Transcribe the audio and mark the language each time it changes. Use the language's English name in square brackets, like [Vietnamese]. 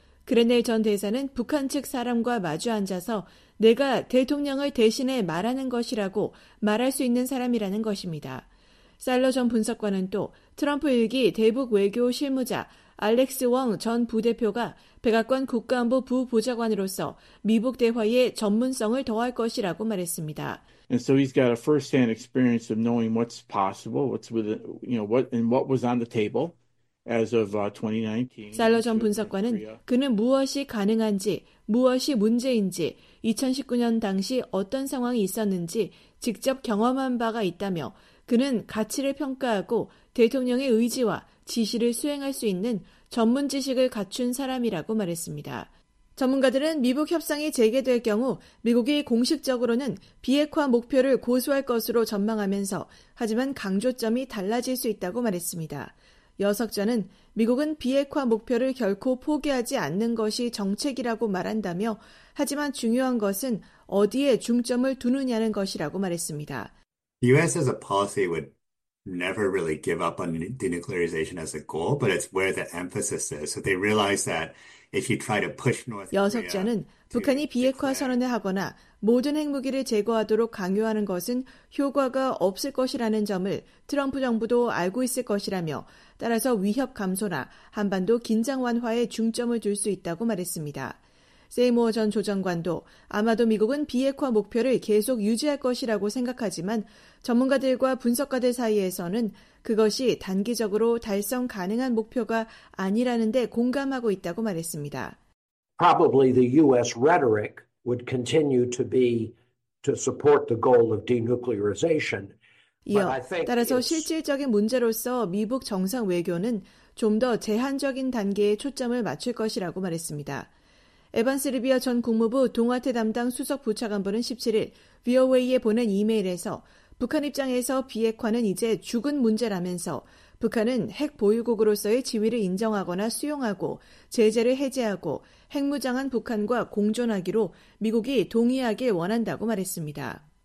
[Korean] 그레네 전 대사는 북한 측 사람과 마주 앉아서 내가 대통령을 대신해 말하는 것이라고 말할 수 있는 사람이라는 것입니다. 사일러 전 분석관은 또 트럼프 1기 대북 외교 실무자 알렉스 웡 전 부대표가 백악관 국가안보 부보좌관으로서 미북 대화에 전문성을 더할 것이라고 말했습니다. [English] And so he's got a first-hand experience of knowing what's possible, what's within, you know, what and what was on the table, as of 2019. [Korean] 살러 전 분석관은 그는 무엇이 가능한지, 무엇이 문제인지, 2019년 당시 어떤 상황이 있었는지 직접 경험한 바가 있다며 그는 가치를 평가하고 대통령의 의지와 지시를 수행할 수 있는 전문 지식을 갖춘 사람이라고 말했습니다. 전문가들은 미북 협상이 재개될 경우 미국이 공식적으로는 비핵화 목표를 고수할 것으로 전망하면서 하지만 강조점이 달라질 수 있다고 말했습니다. 여석전은 미국은 비핵화 목표를 결코 포기하지 않는 것이 정책이라고 말한다며 하지만 중요한 것은 어디에 중점을 두느냐는 것이라고 말했습니다. [English] The U.S. as a policy would never really give up on denuclearization as a goal, but it's where the emphasis is. So they realize that if you try to push North Korea, [Korean] 여석자는 북한이 비핵화 선언을 하거나 모든 핵무기를 제거하도록 강요하는 것은 효과가 없을 것이라는 점을 트럼프 정부도 알고 있을 것이라며 따라서 위협 감소나 한반도 긴장 완화에 중점을 둘 수 있다고 말했습니다. 세이모어 전 조정관도 아마도 미국은 비핵화 목표를 계속 유지할 것이라고 생각하지만 전문가들과 분석가들 사이에서는 그것이 단기적으로 달성 가능한 목표가 아니라는 데 공감하고 있다고 말했습니다. [English] Probably the U.S. rhetoric would continue to be to support the goal of denuclearization. [Korean] 이어 따라서 실질적인 문제로서 미북 정상 외교는 좀 더 제한적인 단계에 초점을 맞출 것이라고 말했습니다. 에반스 리비아 전 국무부 동아태 담당 수석 부차관보는 17일 VOA에 보낸 이메일에서 북한 입장에서 비핵화는 이제 죽은 문제라면서 북한은 핵 보유국으로서의 지위를 인정하거나 수용하고 제재를 해제하고 핵무장한 북한과 공존하기로 미국이 동의하길 원한다고 말했습니다.